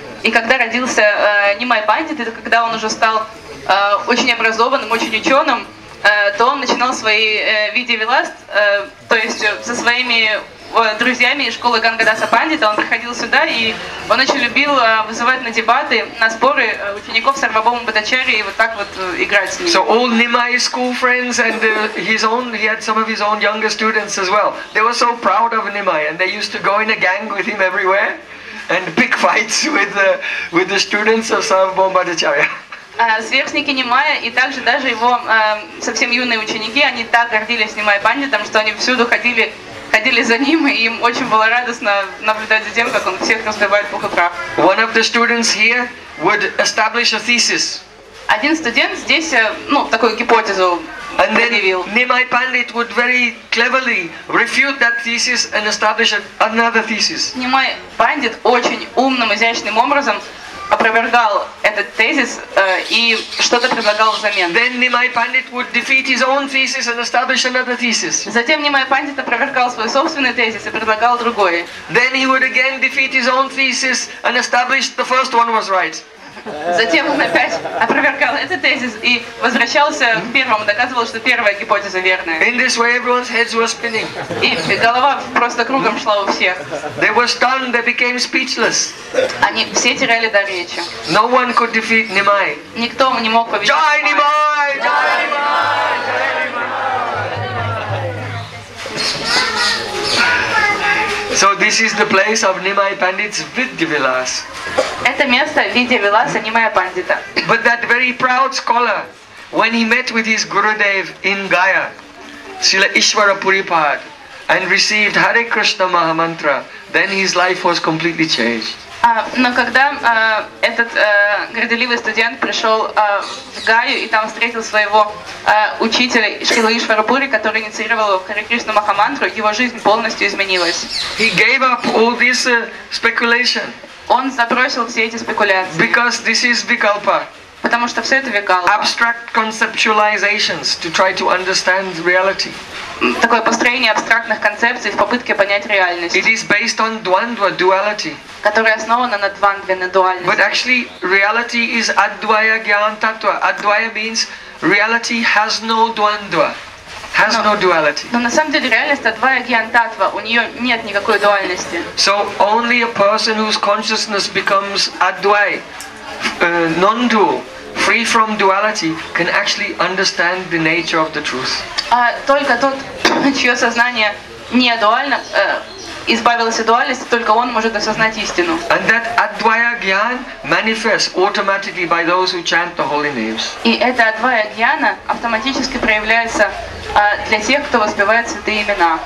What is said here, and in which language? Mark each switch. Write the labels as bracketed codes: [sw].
[ru] И когда родился Nimai Pandit, это когда он уже стал очень образованным, очень ученым, то он начинал свои Vidyavilas, то есть со своими друзьями из школы Гангадаса Пандита, он приходил сюда, и он очень любил вызывать на дебаты, на споры учеников Sarvabhauma Bhattacharya и вот так вот играть с ними. [en] So all Nimai's school friends and his own, he had some of his own younger students as well. They were so proud of Nimai, and they used to go in a gang with him everywhere and pick fights with the students of Sarvabhauma Bhattacharya. [ru] сверстники Нимая и также даже его совсем юные ученики, они так гордились Нимая Пандитом, что они всюду ходили за ним, и им очень было радостно наблюдать за тем, как он всех разбивает пух и прах. [en] One of the students here would establish a thesis. [ru] Один студент здесь, ну, такую гипотезу предъявил. [en] Nimai Pandit would very cleverly refute that thesis and establish another thesis. [ru] Nimai Pandit очень умным, изящным образом опровергал этот тезис и что-то предлагал взамен. [en] Then Nimai Pandit would defeat his own thesis and establish another thesis. [ru] Затем Nimai Pandit опровергал свой собственный тезис и предлагал другой. [en] Then he would again defeat his own thesis and establish the first one was right. [ru] Затем он опять опровергал этот тезис и возвращался к первому, доказывал, что первая гипотеза верная. [en] In this way everyone's heads were spinning. [ru] И голова просто кругом шла у всех. [en] They were stunned, they became speechless. [ru] Они все теряли дар речи. [en] No one could defeat Nimai. [ru] Никто не мог победить. [bn] Jai Nimai! Jai Nimai! [en] So this is the place of Nimai Pandit's Vidya Vilas. [ru] Это место Vidya Vilasa Nimaya Pandita. [en] But that very proud scholar, when he met with his Gurudev in Gaya, Srila Ishvara Puripad, and received Hare Krishna Mahamantra, then his life was completely changed. [ru] Но когда этот горделивый студент пришел в Гаю и там встретил своего учителя Шрилу Ишварапури, который инициировал Харе Кришна Махамантру, его жизнь полностью изменилась. [en] He gave up all this speculation. [ru] Он забросил все эти спекуляции. [en] Because this is Vikalpa. [ru] Потому что все это Викалпа. [en] Abstract conceptualizations to try to understand reality. [ru] Такое построение абстрактных концепций в попытке понять реальность. [en] It is based on dvandva, duality. [ru] Которая основана на дванве, на дуальности. [en] But actually, reality is advaya gyan tattva. Advaya means reality has no dvandva, has no duality. [ru] Но на самом деле реальность advaya gyan tattva. У нее нет никакой дуальности. [en] So only a person whose consciousness becomes advaya, non-dual, free from duality, can actually understand the nature of the truth. [ru] Только тот, чье сознание не дуально, избавилось от дуальности, только он может осознать истину. [en] And that advaya gyan manifests automatically by those who chant the holy names. [ru] И это advaya gyana автоматически проявляется для тех, кто воспевает святые имена.